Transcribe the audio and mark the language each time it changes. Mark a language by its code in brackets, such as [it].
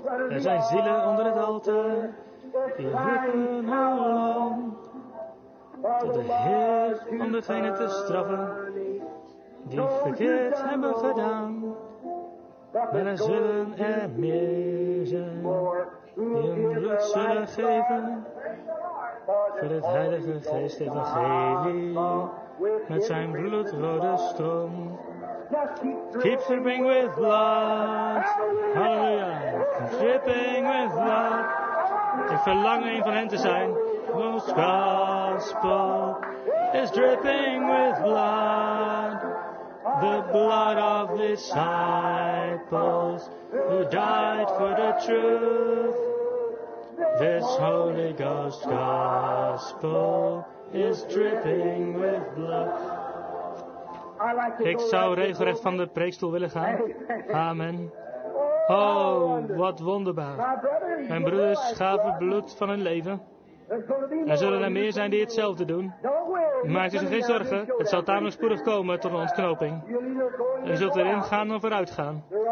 [nl] Er zijn zielen onder het altaar die roepen hoe lang tot de Heer om de vijanden te straffen die verkeerd hebben gedaan. Maar er zullen er meer zijn die hun bloed zullen geven voor het Heilige Geest Evangelie met zijn bloedrode stroom. [en] Keep dripping with blood. Hallelujah. Dripping with blood. [nl] Ik verlang een van hen te zijn. [en] God's gospel is dripping with blood. The blood of disciples who died for the truth. This Holy Ghost gospel is dripping with blood. [nl] Ik zou regelrecht van de preekstoel willen gaan. Amen. Oh, wat wonderbaar. Mijn broeders gaven bloed van hun leven. Er zullen er meer zijn die hetzelfde doen. Maak u zich geen zorgen. Het zal tamelijk spoedig komen tot een ontknoping. U zult erin gaan of eruit gaan.